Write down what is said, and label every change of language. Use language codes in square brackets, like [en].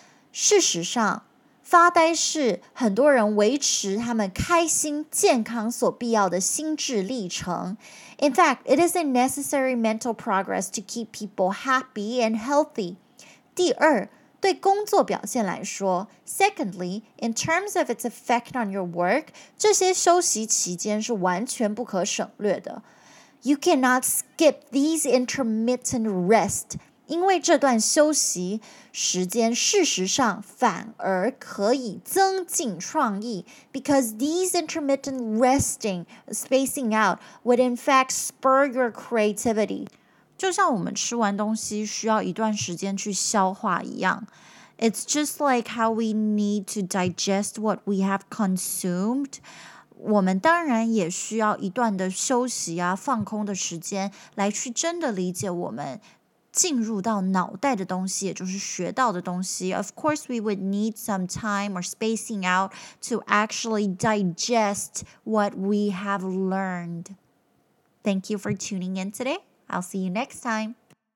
[zh] 事实上，发呆是很多人维持他们开心健康所必要的心智历程。 [en] In fact, it is a necessary mental progress to keep people happy and healthy. [zh] 第二，对工作表现来说 , [en] secondly, in terms of its effect on your work, [zh] 这些休息期间是完全不可省略的。 [en] You cannot skip these intermittent rest, [zh] 因为这段休息时间事实上反而可以增进创意 [en] because these intermittent resting, spacing out, would in fact spur your creativity. [zh] 就像我们吃完东西需要一段时间去消化一样。 [en] It's just like how we need to digest what we have consumed. [zh] 我们当然也需要一段的休息啊，放空的时间来去真的理解我们进入到脑袋的东西，也就是学到的东西。 [en] Of course, we would need some time or spacing out to actually digest what we have learned. Thank you for tuning in today. I'll see you next time.